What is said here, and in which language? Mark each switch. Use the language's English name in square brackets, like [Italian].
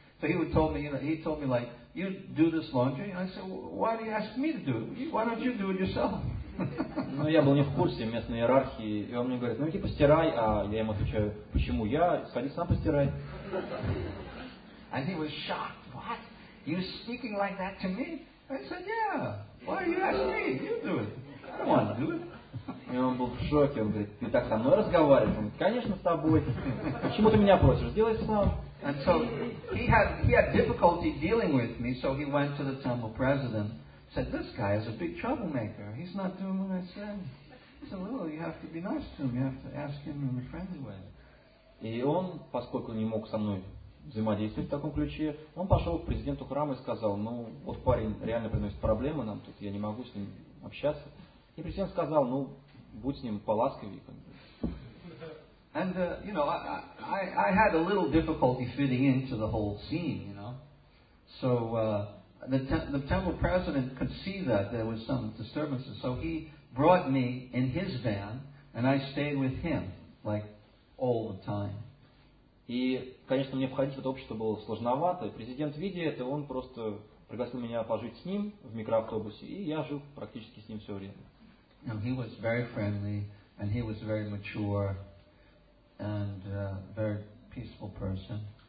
[English] So he would tell me, like, you do this laundry, and I said, why do you ask me to do it? Why don't you do it yourself? [Russian] Ну я был не в курсе местной иерархии, и он мне говорит, иди постирай, а я ему отвечаю, почему я? Сходи сам постирай. [English] And he was shocked. What? You speaking like that to me? I said, yeah. Why do you ask me? You do it. I don't want to do it. [Russian] И он был в шоке. Он говорит, ты так со мной разговариваешь? Он говорит, конечно, с тобой. Почему ты меня просишь? Сделай сам. [English] And so he had difficulty dealing with me, so he went to the temple president, said, this guy is a big troublemaker. He's not doing what I said. He said, well, you have to be nice to him. You have to ask him in a friendly way. [Russian] И он, поскольку не мог со мной взаимодействовать в таком ключе, он пошел к президенту храма и сказал, вот парень реально приносит проблемы нам, тут я не могу с ним общаться. И президент сказал, будь с ним поласковее. [English] And you know, I had a little difficulty fitting into the whole scene, you know. So the temple president could see that there was some disturbances. So he brought me in his van, and I stayed with him like all the time. [Russian] И, конечно, мне входить в это общество было сложновато. Президент, видя это, он просто пригласил меня пожить с ним в микроавтобусе, и я жил практически с ним все время. [English] Now, he was very friendly, and he was very mature, and a very peaceful person.